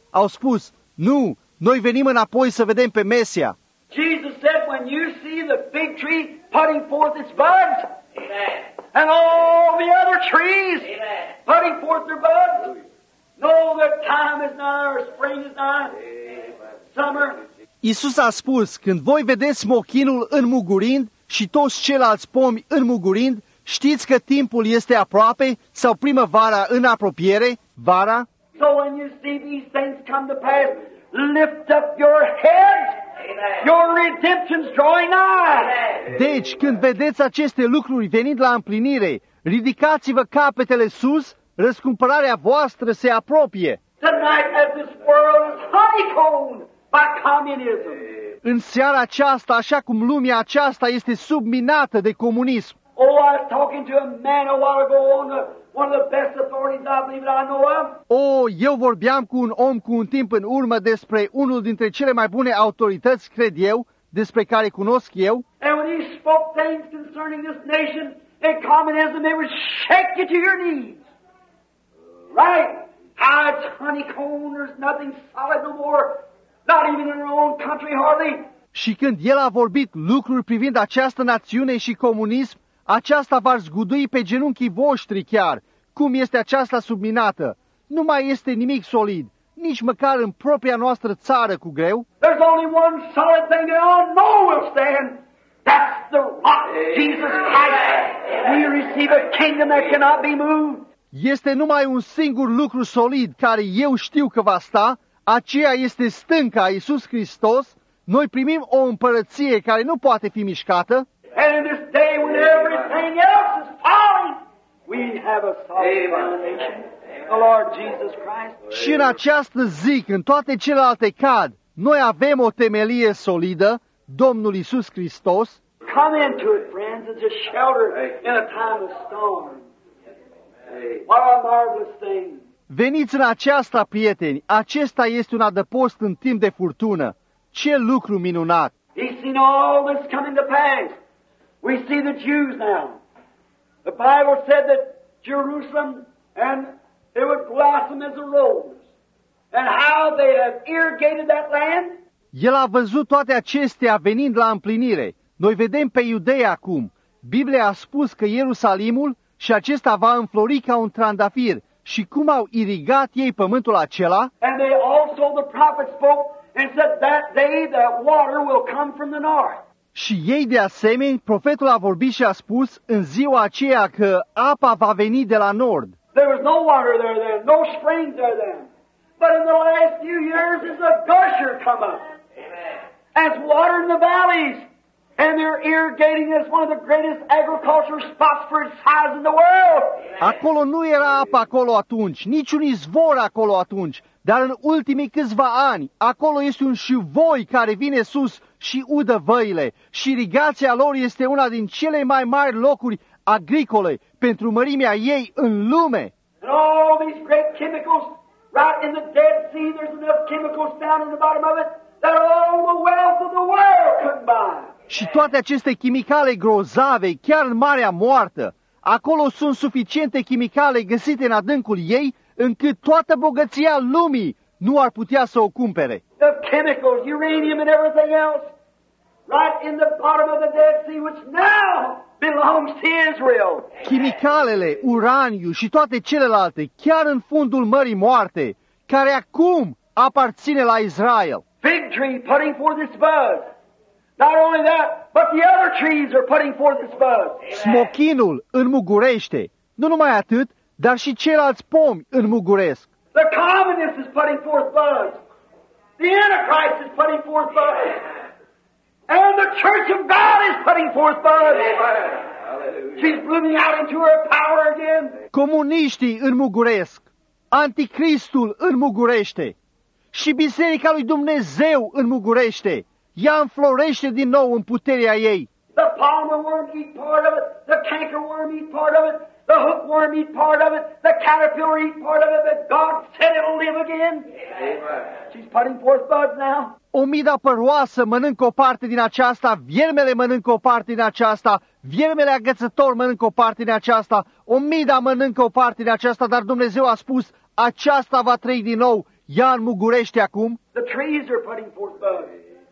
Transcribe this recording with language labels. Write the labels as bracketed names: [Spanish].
[Romanian] Au spus, nu, noi venim înapoi să vedem pe Mesia. [English] Jesus said, when you see the fig tree putting forth its buds, amen. And all the other trees, amen, putting forth their buds, know that time is nigh, or spring is nigh, amen, summer. [Romanian] Iisus a spus, când voi vedeți mochinul înmugurind și toți ceilalți pomi înmugurind, știți că timpul este aproape sau primăvara în apropiere, vara. [English] So when you see these things come to pass, lift up your head. Your redemption's drawing nigh. [Romanian] Deci, când vedeți aceste lucruri venind la împlinire, ridicați-vă capetele sus, răscumpărarea voastră se apropie. [English] Tonight, as this world is honeycombed by communism. [Romanian] În seara aceasta, așa cum lumea aceasta este subminată de comunism. [English] Oh, I was talking to a man a while ago on the one of the best authorities I believe that I know of. [Romanian] Oh, eu vorbeam cu un om cu un timp în urmă despre unul dintre cele mai bune autorități, cred eu, despre care cunosc eu. [English] And when he spoke things concerning this nation and communism, it would shake you to your knees. Right? It's honeycomb, there's nothing solid no more. Not even in our own country, hardly. [Romanian] Și când el a vorbit lucruri privind această națiune și comunism, aceasta v-ar zgudui pe genunchii voștri chiar. Cum este aceasta subminată? Nu mai este nimic solid, nici măcar în propria noastră țară cu greu. [English] There's only one solid thing that all know will stand. That's the rock, Jesus Christ. We receive a kingdom that cannot be moved. [Romanian] Este numai un singur lucru solid care eu știu că va sta. Aceea este stânca, Iisus Hristos. Noi primim o împărăție care nu poate fi mișcată. [English] And in this day when everything else is falling, we have a solid foundation, the Lord Jesus Christ. [Romanian] Și în această zi, când toate celelalte cad, noi avem o temelie solidă, Domnul Iisus Hristos. [English] Come into it, friends, it's a shelter in a time of storm. What a marvelous thing. [Romanian] Veniți în aceasta, prieteni, acesta este un adăpost în timp de furtună. Ce lucru minunat! [English] He's seen all this coming to pass. We see the Jews now. The Bible said that Jerusalem and it would blossom as a rose. And how they have irrigated that land? [Romanian] El a văzut toate acestea venind la împlinire. Noi vedem pe iudei acum. Biblia a spus că Ierusalimul și acesta va înflori ca un trandafir. Și cum au irigat ei pământul acela? [English] And they also, the prophet spoke and said that day that water will come from the north. [Romanian] Și ei de asemenea, profetul a vorbit și a spus în ziua aceea că apa va veni de la nord. [English] There was no water there then, no springs there then. But in the last few years is a gusher come up. As water in the valleys. And they're irrigating as one of the greatest agricultural spots for its size in the world. [Romanian] Acolo nu era apa acolo atunci, niciun izvor acolo atunci, dar în ultimii câțiva ani, acolo este un șuvoi care vine sus și udă văile. Și irigația lor este una din cele mai mari locuri agricole pentru mărimea ei în lume. [English] And all these great chemicals, right in the Dead Sea, there's enough chemicals down in the bottom of it that all the wealth of the world could buy. [Romanian] Și toate aceste chimicale grozave, chiar în Marea Moartă, acolo sunt suficiente chimicale găsite în adâncul ei, încât toată bogăția lumii nu ar putea să o cumpere. [English] The chemicals, uranium and everything else, right in the bottom of the Dead Sea, which now belongs to Israel. [Romanian] Chimicalele, uraniu și toate celelalte, chiar în fundul Mării Moarte, care acum aparține la Israel. [English] Fig tree putting forth its buds. Not only that, but the other trees are putting forth its buds. [Romanian] Smochinul înmugurește. Nu numai atât, dar și ceilalți pomi înmuguresc. [English] The communist is putting forth buds. The antichrist is putting forth buds. And the church of God is putting forth buds. She's blooming out into her power again. [Romanian] Comuniștii înmuguresc. Anticristul înmugurește. Și biserica lui Dumnezeu înmugurește. Ea înflorește din nou în puterea ei. [English] The palmer worm eat part of it. The canker worm eat part of it. The hook worm eat part of it. The caterpillar eat part of it. But God said it will live again. Amen. She's putting forth buds now. [Romanian] Umida păroasă mănâncă o parte din aceasta, viermele mănâncă o parte din aceasta, viermele agățător mănâncă o parte din aceasta, umida mănâncă o parte din aceasta, dar Dumnezeu a spus, aceasta va trăi din nou, ea înmugurește acum. [English] The trees are putting forth buds.